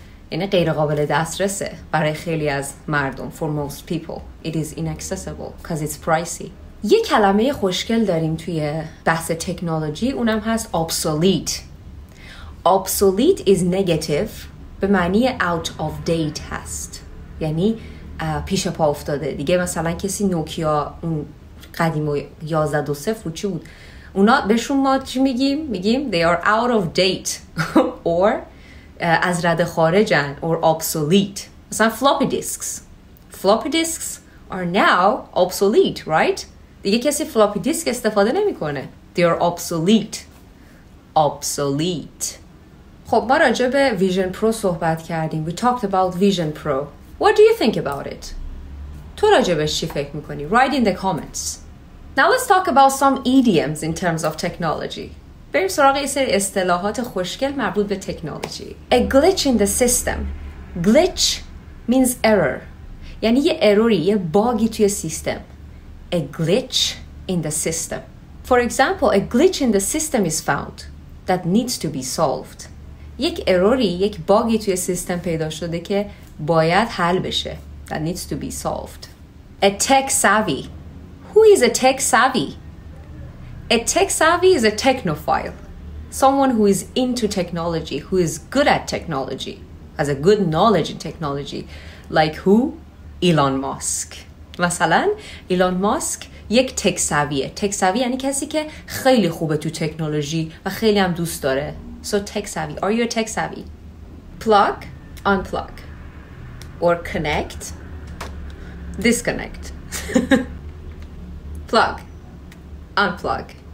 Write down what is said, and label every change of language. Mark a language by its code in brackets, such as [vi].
[fa] اینه غیر قابل دسترسه برای خیلی از مردم. [en] For most people, it is inaccessible because it's pricey. [fa] یه کلمه خوشگل داریم توی بحث تکنولوژی. اونم هست obsolete. [en] Obsolete is negative. [fa] به معنی [en] out of date [fa] هست. یعنی پیش پا افتاده. دیگه مثلا کسی نوکیا اون قدیم و 11.2.0 و چی بود؟ اونا بهشون ما چی میگیم؟ میگیم [en] they are out of date or [fa] از رد خارجن or obsolete. [en] مثلا floppy disks. Floppy disks are now obsolete, right? [fa] دیگه کسی floppy disk استفاده نمی کنه. [en] They are obsolete. Obsolete. [fa] خب ما راجع به Vision Pro صحبت کردیم. [en] We talked about Vision Pro. What do you think about it? [fa] تو راجع بهش چی فکر میکنی؟ [en] Write in the comments. Now let's talk about some idioms in terms of technology. [fa] بریم سراغ یه سری اصطلاحات خوشگل مربوط به تکنولوژی. [en] A glitch in the system. Glitch means error. [fa] یعنی یه اروری، یه باگی توی سیستم. [en] A glitch in the system. For example, a glitch in the system is found that needs to be solved. [fa] یک اروری، یک باگی توی سیستم پیدا شده که باید حل بشه. [en] That needs to be solved. A tech savvy. Who is a tech savvy? A tech savvy is a technophile. Someone who is into technology, who is good at technology, has a good knowledge in technology. Like who? [fa] ایلان ماسک. مثلا ایلان ماسک یک تکساویه. تکساوی یعنی کسی که خیلی خوبه تو تکنولوژی و خیلی هم دوست داره. [en] So تکساوی. Are you a تکساوی؟ Plug, unplug. Or connect, disconnect. Plug, unplug.